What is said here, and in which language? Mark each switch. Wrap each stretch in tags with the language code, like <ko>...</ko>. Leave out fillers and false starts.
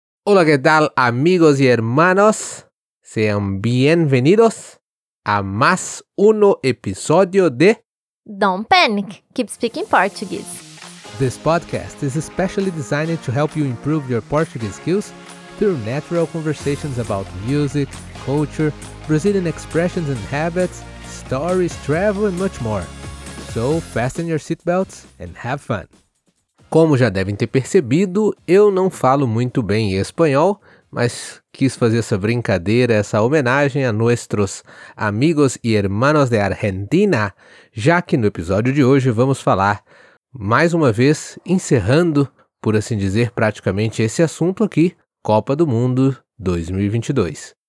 <es>Hola, ¿qué tal, amigos y hermanos? Sean bienvenidos a más uno episodio de</es> <en>Don't Panic, Keep Speaking Portuguese. This podcast is especially designed to help you improve your Portuguese skills through natural conversations about music, culture, Brazilian expressions and habits, stories, travel and much more. So, fasten your seatbelts and have fun.</en> <pt>Como já devem ter percebido, eu não falo muito bem espanhol, mas quis fazer essa brincadeira, essa homenagem a nossos amigos e hermanos de Argentina, já que no episódio de hoje vamos falar, mais uma vez, encerrando, por assim dizer, praticamente esse assunto aqui, Copa do Mundo 2022.</pt>